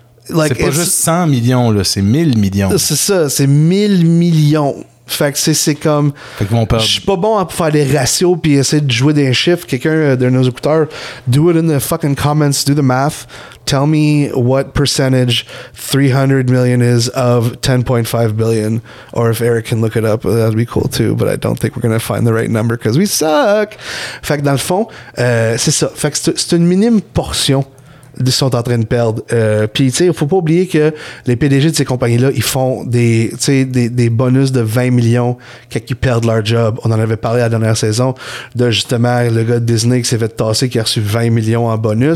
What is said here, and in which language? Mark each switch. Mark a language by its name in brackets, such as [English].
[French] Like, c'est pas juste 100 millions, là, c'est 1000 millions. C'est ça, c'est 1000 millions. Fait que c'est comme... Fait qu'ils vont perdre. Je suis pas bon à faire des ratios puis essayer de jouer des chiffres. Quelqu'un de nos écouteurs, [English] do it in the fucking comments, do the math. Tell me what percentage 300 million is of 10.5 billion. Or if Eric can look it up, that'd be cool too. But I don't think we're going to find the right number because we suck. [French] Fait que dans le fond, c'est ça. Fait que c'est une minime portion qu'ils sont en train de perdre. Puis, tu sais, il ne faut pas oublier que les PDG de ces compagnies-là, ils font des bonus de 20 millions quand ils perdent leur job. On en avait parlé la dernière saison de, justement, le gars de Disney qui s'est fait tasser, qui a reçu 20 millions en bonus.